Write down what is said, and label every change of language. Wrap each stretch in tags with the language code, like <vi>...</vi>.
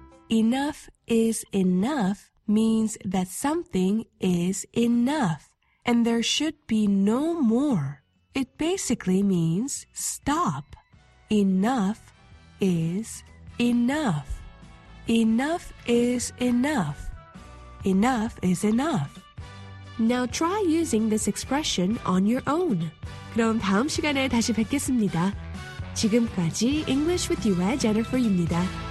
<en>Enough is enough means that something is enough and there should be no more. It basically means stop. Enough is enough. Enough is enough. Enough is enough. Now try using this expression on your own.</en> <ko>그럼 다음 시간에 다시 뵙겠습니다. 지금까지 English with You의 Jennifer입니다.</ko>